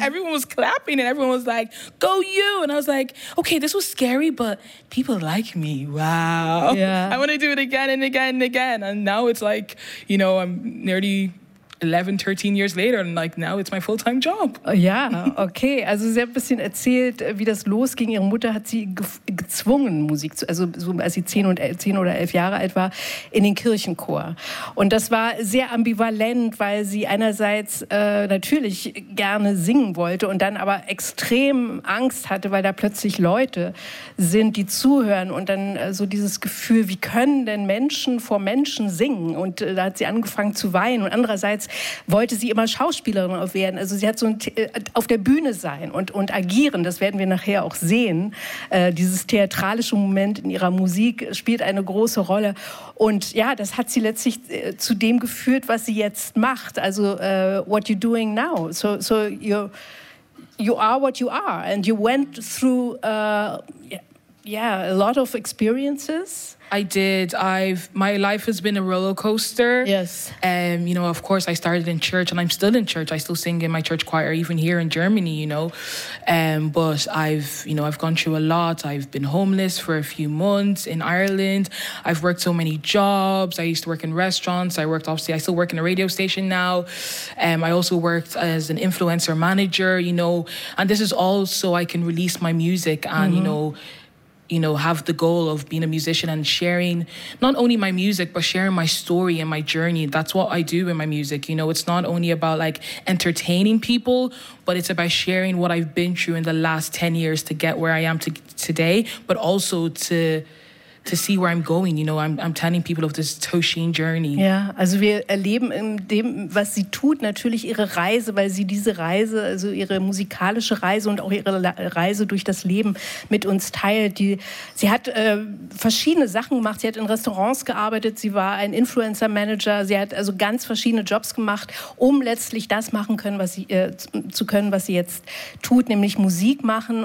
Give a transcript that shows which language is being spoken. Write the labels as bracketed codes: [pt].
[en] Everyone was clapping and everyone was like, go you. And I was like, okay, this was scary, but people like me. Wow. Yeah. I want to do it again and again and again. And now it's like, you know, I'm nearly 11, 13 years later and like now it's my full-time job. [de] Ja, okay. Also sie hat ein bisschen erzählt, wie das losging. Ihre Mutter hat sie gezwungen, Musik zu, also so, als sie 10 oder 11 Jahre alt war, in den Kirchenchor. Und das war sehr ambivalent, weil sie einerseits natürlich gerne singen wollte und dann aber extrem Angst hatte, weil da plötzlich Leute sind, die zuhören und dann so dieses Gefühl, wie können denn Menschen vor Menschen singen? Und da hat sie angefangen zu weinen und andererseits wollte sie immer Schauspielerin werden. Also sie hat so ein auf der Bühne sein und agieren. Das werden wir nachher auch sehen. Dieses theatralische Moment in ihrer Musik spielt eine große Rolle. Und ja, das hat sie letztlich zu dem geführt, was sie jetzt macht. [en] Also what you're doing now. So you are what you are. And you went through a lot of experiences. I did. My life has been a roller coaster. Yes. You know, of course, I started in church and I'm still in church. I still sing in my church choir, even here in Germany, you know. But I've gone through a lot. I've been homeless for a few months in Ireland. I've worked so many jobs. I used to work in restaurants. I still work in a radio station now. I also worked as an influencer manager, you know. And this is all so I can release my music and, mm-hmm. you know, have the goal of being a musician and sharing not only my music, but sharing my story and my journey. That's what I do in my music. You know, it's not only about like entertaining people, but it's about sharing what I've been through in the last 10 years to get where I am today, but also to see where I'm going. You know, I'm telling people of this Toshin journey. [de] Ja, also wir erleben in dem, was sie tut, natürlich ihre Reise, weil sie diese Reise, also ihre musikalische Reise und auch ihre Reise durch das Leben mit uns teilt. Sie hat verschiedene Sachen gemacht. Sie hat in Restaurants gearbeitet, sie war ein Influencer-Manager, sie hat also ganz verschiedene Jobs gemacht, um letztlich das machen können, was sie jetzt tut, nämlich Musik machen.